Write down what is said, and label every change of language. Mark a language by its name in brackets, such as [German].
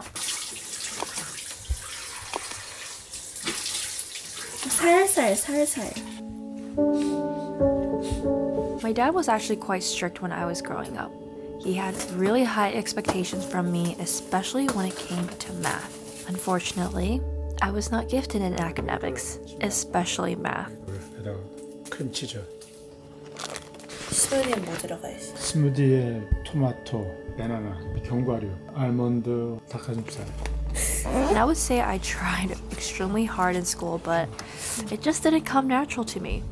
[English] Sorry. My dad was actually quite strict when I was growing up. He had really high expectations from me, especially when it came to math. Unfortunately, I was not gifted in academics, especially math. Cream cheese. [Korean] Smoothie에 뭐 들어가 있어? 스무디에 토마토, 바나나, 견과류, 알몬드, 닭가슴살. [English] And I would say I tried extremely hard in school, but it just didn't come natural to me.